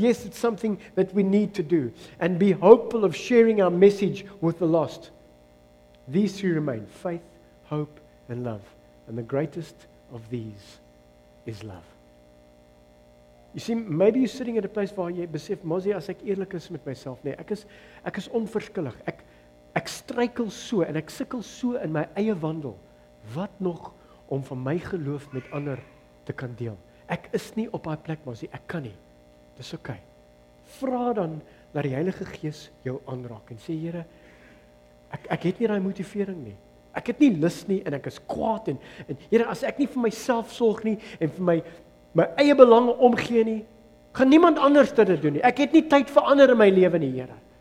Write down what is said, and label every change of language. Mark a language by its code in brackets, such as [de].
[en] Yes, it's something that we need to do. And be hopeful of sharing our message with the lost. These three remain. Faith, hope, and love. And the greatest of these is love. You see, maybe you're sitting at a place where you [af] besef, Mozi, as ek eerlik is met myself, nee, ek is onverskillig. Ek struikel so en ek sukkel so in my eie wandel. Wat nog om van my geloof met ander te kan deel? Ek is nie op daai plek, Mozi, ek kan nie. Dis ok. Vra dan dat die Heilige Gees jou aanraak en sê, Here, ek het nie daai motivering nie. Ek het nie lus nie en ek is kwaad en Here, as ek nie vir myself sorg nie en vir my eie belange omgee nie, gaan niemand anders dit doen nie. Ek het nie tyd vir ander in my lewe nie, Here.